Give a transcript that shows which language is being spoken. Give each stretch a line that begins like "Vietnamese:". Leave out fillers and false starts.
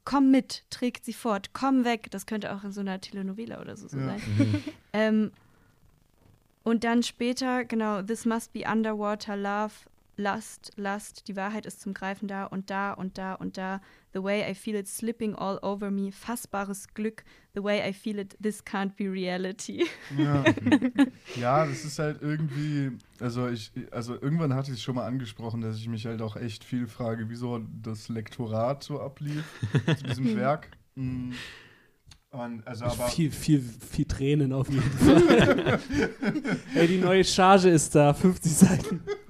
German: Komm mit, trägt sie fort, komm weg. Das könnte auch in so einer Telenovela oder so sein. Und dann später, genau,
English: this must be underwater love,
German: Lust, Lust, die Wahrheit ist zum Greifen da und da und da und da.
English: The way I feel it slipping all over me,
German: fassbares Glück.
English: The way I feel it, this can't be reality.
German: Ja, das ist halt irgendwie, also irgendwann hatte ich es schon mal angesprochen, dass ich mich halt auch echt viel frage, wieso das Lektorat so ablief zu diesem Werk. Und also aber viel Tränen auf jeden Fall. Ey, die neue Charge ist da, 50 Seiten.